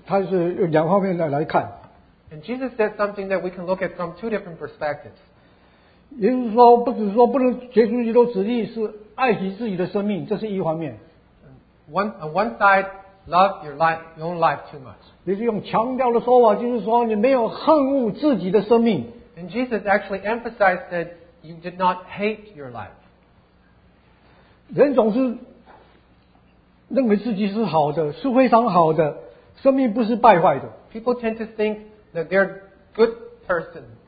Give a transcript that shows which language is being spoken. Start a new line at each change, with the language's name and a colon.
Chinese: 耶稣在这边所说的一句话是，他是有两方面来看。
English: And Jesus said something that we can look at from two different perspectives.
Chinese: 耶稣说，不只说不能结束基督，是爱惜自己的生命，这是一方面。
English: One side, love your life, your own life too much.
Chinese: 也是用强调的说法，就是说你没有恨恶自己的生命。
English: And Jesus actually emphasized that you did not hate your life.
Chinese: 人总是认为自己是好的，是非常好的，生命不是败坏的。
English: People tend to think that they're good person.